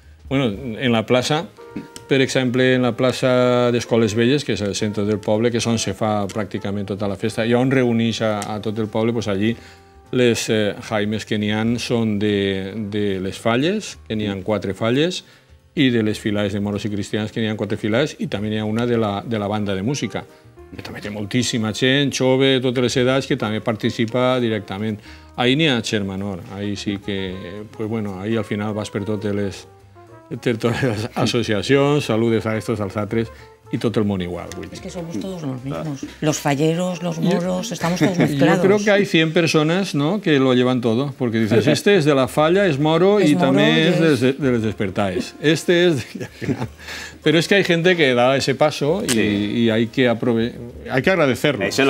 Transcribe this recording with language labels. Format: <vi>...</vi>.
<ca>Bueno, en la plaça, per exemple, en la plaça d'Escoles Velles, que és el centre del poble, que és on se fa pràcticament tota la festa, i on reuneix a tot el poble, pues allí les jaimes que n'hi ha són de les falles, que n'hi ha quatre falles, i de les filades de moros i cristians, que n'hi ha quatre filades, i també n'hi ha una de la banda de música, que també té moltíssima gent, jove, totes les edats, que també participa directament. Ahí n'hi ha Xermanor, ahí sí que... Pues bueno, ahí al final vas per totes les... Ter totes les associacions, saludes a estos, als altres, i tot el món igual. Vull dir.</ca> <es>Es que somos todos los mismos. Los falleros, los moros, estamos todos mezclados. Yo creo que hay 100 personas, ¿no?, que lo llevan todo. Porque dices, este es de la falla, es moro, es y moro, también es de los despertaes. Este es... De... Pero es que hay gente que da ese paso y, sí, y hay que agradecerlo.</es>